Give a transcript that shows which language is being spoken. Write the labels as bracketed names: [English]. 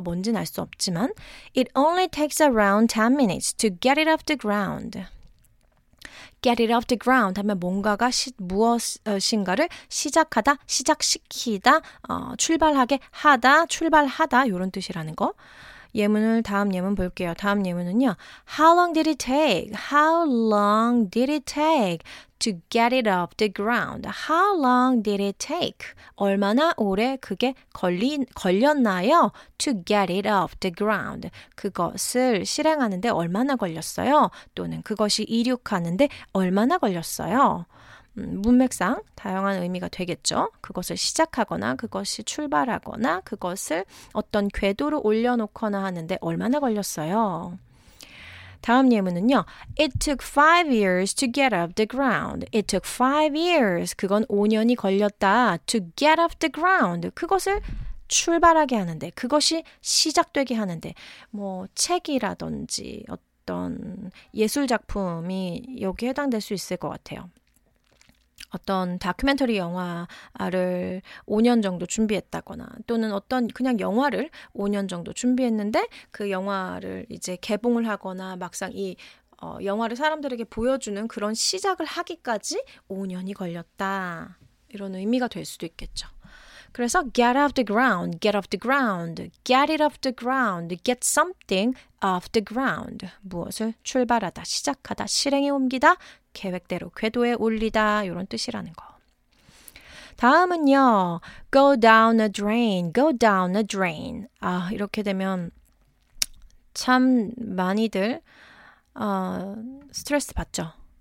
[Korean] 뭔지는 알 수 없지만 [English] It only takes around 10 minutes to get it off the ground. Get it off the ground [Korean] 하면 뭔가가 무엇인가를 시작하다, 시작시키다, 출발하게 하다, 출발하다 이런 뜻이라는 거. 예문을 다음 예문 볼게요. 다음 예문은요. [English] How long did it take? How long did it take to get it off the ground? How long did it take? [Korean] 얼마나 오래 그게 걸렸나요? [English] To get it off the ground. [Korean] 그것을 실행하는데 얼마나 걸렸어요? 또는 그것이 이륙하는데 얼마나 걸렸어요? 문맥상 다양한 의미가 되겠죠. 그것을 시작하거나 그것이 출발하거나 그것을 어떤 궤도로 올려놓거나 하는데 얼마나 걸렸어요? 다음 예문은요. [English] It took 5 years to get off the ground. It took 5 years. [Korean] 그건 5년이 걸렸다. [English] To get off the ground. [Korean] 그것을 출발하게 하는데 그것이 시작되게 하는데 뭐 책이라든지 어떤 예술 작품이 여기 해당될 수 있을 것 같아요. 어떤 다큐멘터리 영화를 5년 정도 준비했다거나 또는 어떤 그냥 영화를 5년 정도 준비했는데 그 영화를 이제 개봉을 하거나 막상 이 영화를 사람들에게 보여주는 그런 시작을 하기까지 5년이 걸렸다. 이런 의미가 될 수도 있겠죠. 그래서 [English] get off the ground, [Korean] get off the ground, get it off the ground, get something off the ground. 무엇을 출발하다, 시작하다, 실행에 옮기다, 계획대로 궤도에 올리다 이런 뜻이라는 거. 다음은요. [English] Go down a drain, go down a drain. [Korean] 아 이렇게 되면 참 많이들 스트레스 받죠.